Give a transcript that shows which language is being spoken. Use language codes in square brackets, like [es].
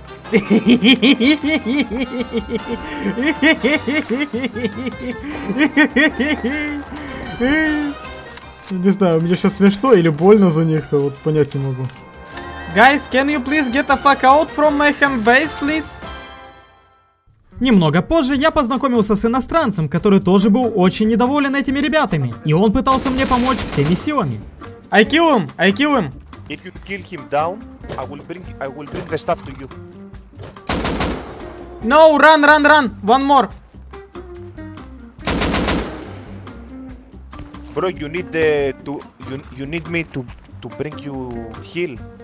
[ru] Не знаю, мне сейчас смешно или больно за них, вот понять не могу. [en] Guys, can you please get the fuck out from my home base, please? [ru] Немного позже я познакомился с иностранцем, который тоже был очень недоволен этими ребятами, и он пытался мне помочь всеми силами. [en] I kill him, I kill him. If you kill him down, I will bring the stuff to you. No, run, run, run! One more! Bro, you need the... You need me to bring you heal.